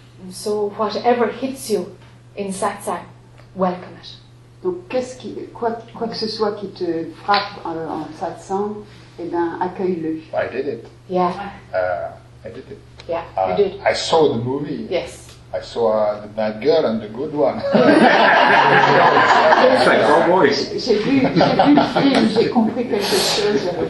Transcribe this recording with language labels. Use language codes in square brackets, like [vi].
[en] So whatever hits you in satsang, welcome it. [fr] Donc qu'est-ce qui, quoi que ce soit qui te frappe en satsang, eh bien accueille-le. [en] I did it. Yeah. I did it. Yeah, you did. I saw the movie. Yes. I saw the bad girl and the good one. It's like a voice. [fr] J'ai vu le film, j'ai compris quelque chose, j'avais